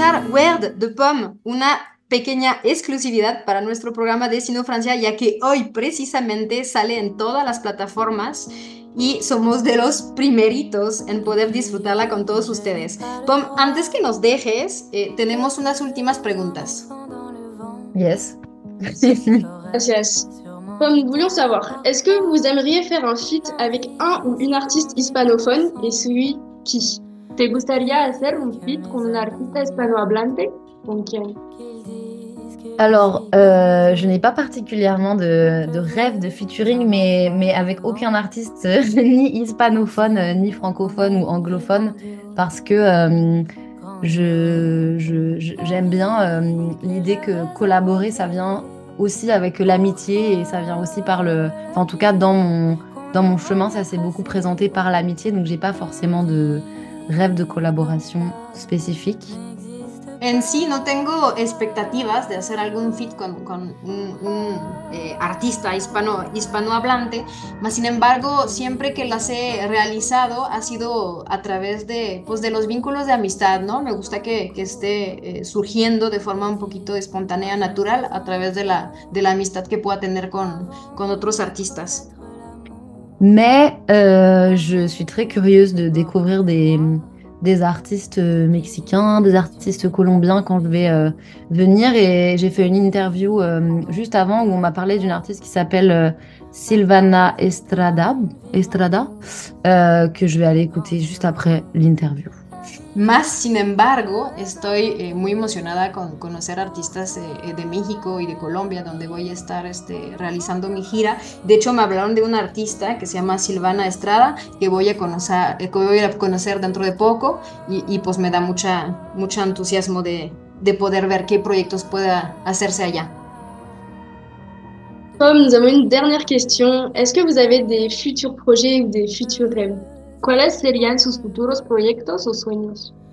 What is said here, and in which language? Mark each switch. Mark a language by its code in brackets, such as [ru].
[es] Weird de Pom, una pequeña exclusividad para nuestro programa Destino Francia, ya que hoy precisamente sale en todas las plataformas y somos de los primeritos en poder disfrutarla con todos ustedes. Pom, antes que nos dejes, tenemos unas últimas preguntas. [en] Yes. [es] Gracias. [fr] Pom, voulions savoir, est-ce que vous aimeriez faire un feat avec un ou une artiste hispanophone et celui qui? [es] ¿Te gustaría hacer un feat con un artista hispanohablante? ¿Con quién? [fr] Alors, je n'ai pas particulièrement de rêve de featuring, mais avec aucun artiste ni hispanophone, ni francophone ou anglophone, parce que j'aime bien l'idée que collaborer, ça vient aussi avec l'amitié, et ça vient aussi par le... Enfin, en tout cas, dans mon chemin, ça s'est beaucoup présenté par l'amitié, donc j'ai pas forcément de... [es] rêve de colaboración específico. En sí, no tengo expectativas de hacer algún feat con un artista hispanohablante, mas sin embargo, siempre que las he realizado ha sido a través de los vínculos de amistad, ¿no? Me gusta que esté surgiendo de forma un poquito espontánea, natural, a través de la amistad que pueda tener con otros artistas. [fr] Mais je suis très curieuse de découvrir des artistes mexicains, des artistes colombiens quand je vais venir. Et j'ai fait une interview juste avant où on m'a parlé d'une artiste qui s'appelle Silvana Estrada, que je vais aller écouter juste après l'interview. [es] Más sin embargo, estoy muy emocionada con conocer artistas de México y de Colombia, donde voy a estar realizando mi gira. De hecho, me hablaron de una artista que se llama Silvana Estrada, que voy a conocer dentro de poco, y pues me da mucho entusiasmo de poder ver qué proyectos pueda hacerse allá. [fr] Tom, nous avons une dernière question. Est-ce que vous avez des futurs projets ou des futurs rêves? [es] ¿Cuáles serían sus futuros proyectos o sueños?